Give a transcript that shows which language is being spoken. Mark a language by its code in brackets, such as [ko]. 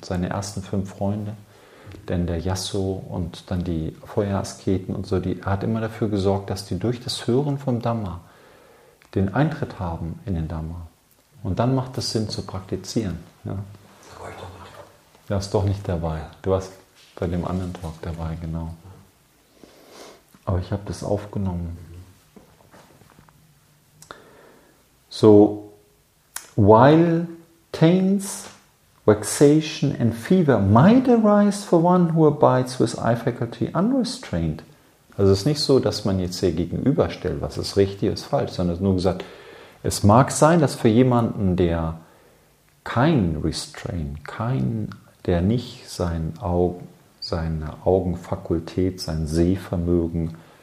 [de] Seine ersten 5 Freunde, denn der Yasso und dann die Feuerasketen und so, er hat immer dafür gesorgt, dass die durch das Hören vom Dhamma den Eintritt haben in den Dhamma. Und dann macht es Sinn zu praktizieren. Ja. Du warst doch nicht dabei. Du warst bei dem anderen Talk dabei, genau. Aber ich habe das aufgenommen. [en] So, while taints, vexation and fever might arise for one who abides with eye faculty unrestrained. [de] Also es ist nicht so, dass man jetzt hier gegenüberstellt, was ist richtig, ist falsch, sondern es ist nur gesagt, es mag sein, dass für jemanden, der kein Restraint, der nicht seine Augenfakultät, sein Sehvermögen